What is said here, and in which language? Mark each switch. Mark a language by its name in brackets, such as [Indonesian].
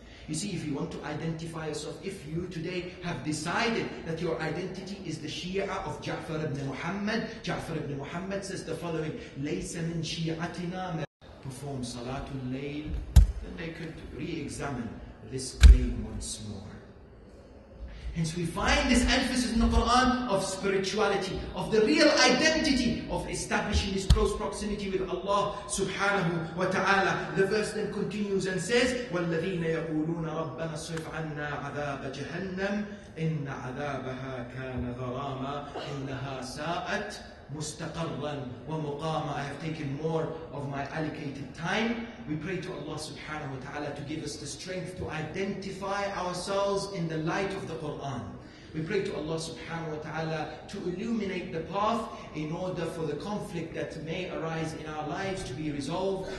[English] You see, if you want to identify yourself, if you today have decided that your identity is the Shia of Ja'far ibn Muhammad, Ja'far ibn Muhammad says the following, [Arabic] Laysa min Shi'atina ma [English] perform Salatul Layl, then they could re-examine this claim once more. Hence we find this emphasis in the Quran of spirituality, of the real identity of establishing this close proximity with Allah subhanahu wa ta'ala. The verse then continues and says, [Arabic] وَالَّذِينَ يَقُولُونَ رَبَّنَا صِرْفْ عَنَّا عَذَابَ جَهَنَّمْ إِنَّ عَذَابَهَا كَانَ غَرَامًا إِنَّهَا سَاءَتْ مُسْتَقَرًّا وَمُقَامًا. [English] I have taken more of my allocated time. We pray to Allah subhanahu wa ta'ala to give us the strength to identify ourselves in the light of the Quran. We pray to Allah subhanahu wa ta'ala to illuminate the path in order for the conflict that may arise in our lives to be resolved.